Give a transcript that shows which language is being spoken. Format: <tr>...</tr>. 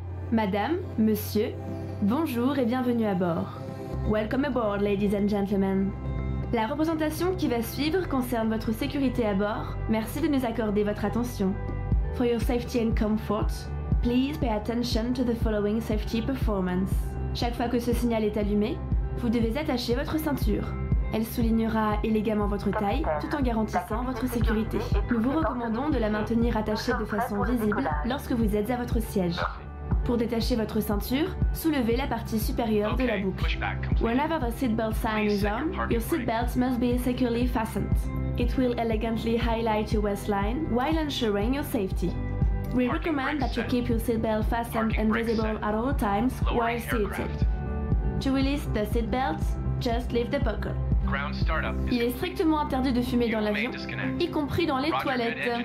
<fr>Madame, monsieur, bonjour et bienvenue à bord.</fr> <en>Welcome aboard, ladies and gentlemen.</en> <fr>La représentation qui va suivre concerne votre sécurité à bord. Merci de nous accorder votre attention.</fr> <en>For your safety and comfort, please pay attention to the following safety performance.</en> <fr>Chaque fois que ce signal est allumé, vous devez attacher votre ceinture. Elle soulignera élégamment votre taille tout en garantissant votre sécurité. Nous vous recommandons de la maintenir attachée de façon visible lorsque vous êtes à votre siège. Pour détacher votre ceinture, soulevez la partie supérieure de la boucle.</fr> <en>Whenever the seatbelt sign is on, your seatbelt must be securely fastened. It will elegantly highlight your waistline while ensuring your safety. We recommend that you keep your seatbelt fastened and visible at all times while seated. To release the seatbelt, just lift the buckle.</en> <fr>Il est strictement interdit de fumer dans l'avion, y compris dans les toilettes.</fr>